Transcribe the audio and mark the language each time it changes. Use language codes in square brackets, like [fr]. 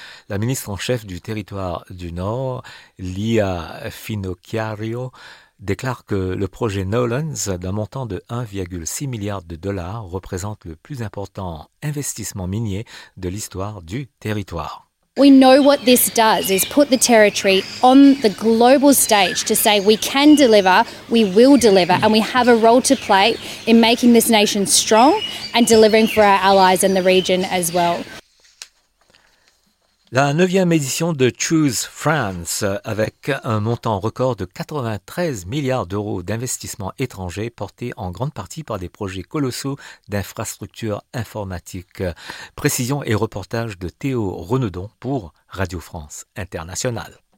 [fr] La ministre en chef du territoire du Nord, Lia Finocchiario, déclare que le projet Nolans, d'un montant de 1,6 milliard de dollars, représente le plus important investissement minier de l'histoire du territoire. [en] We know what this does is put the territory on the global stage to say we can deliver, we will deliver, and we have a role to play in making this nation strong and delivering for our allies in the region as well. [fr] La 9e édition de Choose France, avec un montant record de 93 milliards d'euros d'investissements étrangers portés en grande partie par des projets colossaux d'infrastructures informatiques. Précision et reportage de Théo Renaudon pour Radio France Internationale.